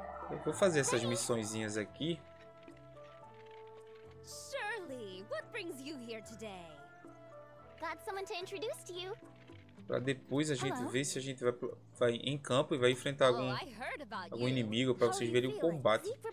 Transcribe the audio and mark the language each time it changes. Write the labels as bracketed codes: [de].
[pt] Eu vou fazer essas missõezinhas aqui. [en] Shirley, what brings you here today? Got someone to introduce to you. [pt] Pra depois a gente ver se a gente vai em campo e vai enfrentar algum inimigo para vocês verem o combate.